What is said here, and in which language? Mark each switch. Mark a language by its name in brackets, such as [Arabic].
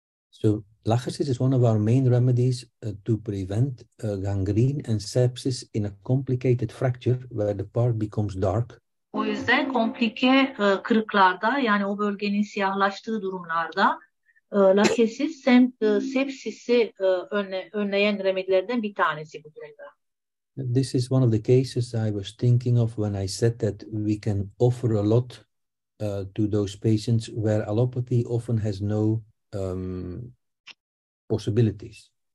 [English] So lachesis is one of our main remedies to prevent gangrene and sepsis in a complicated fracture where the part becomes dark. [Turkish] O yüzden komplike kırıklarda yani o bölgenin siyahlaştığı durumlarda lachesis sepsisi önleyen remedilerden bir tanesi bu durumda. [English] This is one of the cases I was thinking of when I said that we can offer a lot to those patients where allopathy often has no possibilities.